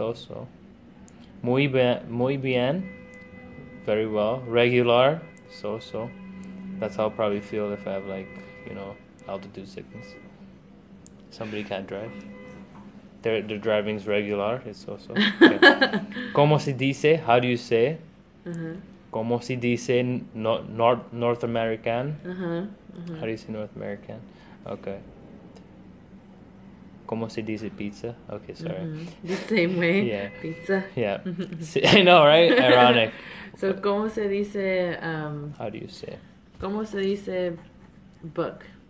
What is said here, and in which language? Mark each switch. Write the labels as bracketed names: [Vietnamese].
[English] so. [Spanish] Muy bien, [English] very well. Regular, so. That's how I'll probably feel if I have, like, you know, altitude sickness. Somebody can't drive. Their driving's regular, it's so. Okay. [Spanish] ¿Cómo se dice? [English] How do you say? Mm-hmm. [Spanish] ¿Cómo se dice North American? Mm-hmm. [English] How do you say North American? Okay. [Spanish] ¿Cómo se dice pizza? [English] Okay, sorry. Mm-hmm. The same way. Yeah. Pizza. Yeah. I know, right? Ironic. [Spanish] So, ¿cómo se dice... [English] how do you say? [Spanish] ¿Cómo se dice book?